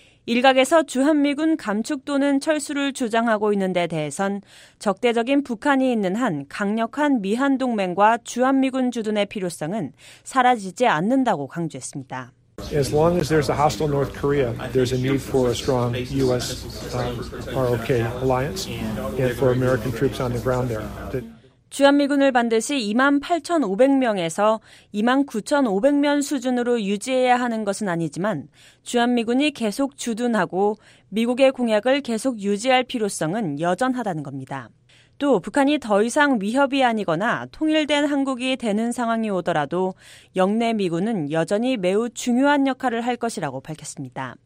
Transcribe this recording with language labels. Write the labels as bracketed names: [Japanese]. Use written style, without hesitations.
[Korean] 일각에서 주한미군 감축 또는 철수를 주장하고 있는 데 대해선 적대적인 북한이 있는 한 강력한 미한동맹과 주한미군 주둔의 필요성은 사라지지 않는다고 강조했습니다. [English] As long as there's a hostile North Korea, there's a need for a strong U.S. ROK alliance and for American troops on the ground there. [Korean] 주한미군을 반드시 2만 8,500명에서 2만 9,500명 수준으로 유지해야 하는 것은 아니지만 주한미군이 계속 주둔하고 미국의 공약을 계속 유지할 필요성은 여전하다는 겁니다. 또 북한이 더 이상 위협이 아니거나 통일된 한국이 되는 상황이 오더라도 영내 미군은 여전히 매우 중요한 역할을 할 것이라고 밝혔습니다.